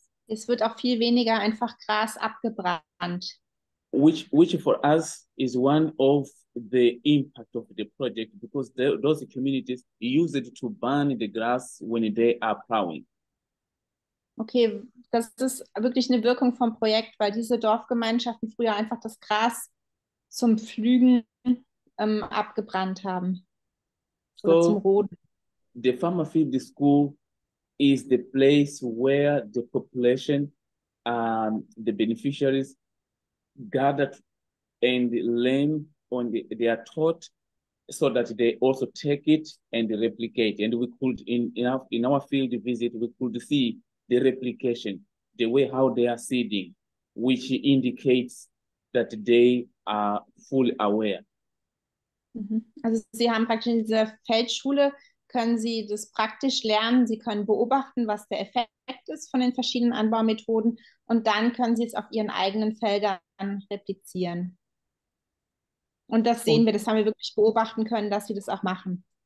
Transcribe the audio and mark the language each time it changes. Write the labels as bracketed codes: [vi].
[de] Es wird auch viel weniger einfach Gras abgebrannt. [en] Which for us is one of the impact of the project, because those communities use it to burn the grass when they are plowing. [de] Okay, das ist wirklich eine Wirkung vom Projekt, weil diese Dorfgemeinschaften früher einfach das Gras zum Pflügen abgebrannt haben oder zum [en] So, [de] Roden. [en] the farmer field school is the place where the population, the beneficiaries gathered and learn on the, they are taught so that they also take it and replicate. And we could in our field visit, we could see the replication, the way how they are seeding, which indicates that they are fully aware. [de] Also Sie haben praktisch in dieser Feldschule, können Sie das praktisch lernen, Sie können beobachten, was der Effekt ist von den verschiedenen Anbaumethoden und dann können Sie es auf Ihren eigenen Feldern replizieren. Und das sehen wir, Und das haben wir wirklich beobachten können, dass Sie das auch machen.